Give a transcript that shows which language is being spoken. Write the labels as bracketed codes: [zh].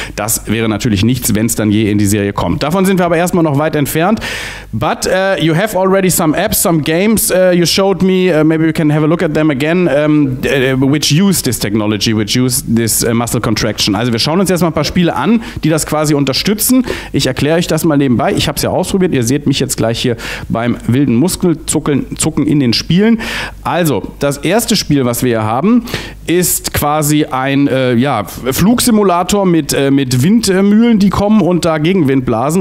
[de] Das wäre natürlich nichts, wenn es dann je in die Serie kommt. Davon sind wir aber erstmal noch weit entfernt. [en] But you have already some apps, some games you showed me, maybe we can have a look at them again, which use this technology, which use this muscle contraction. [de] Also wir schauen uns jetzt mal ein paar Spiele an, die das quasi unterstützen. Ich erkläre euch das mal nebenbei. Ich habe es ja ausprobiert. Ihr seht mich jetzt gleich hier beim wilden Muskelzucken in den Spielen. Also, das erste Spiel, was wir hier haben, ist quasi ein Flugsimulator mit Windmühlen, die kommen und da Gegenwind blasen.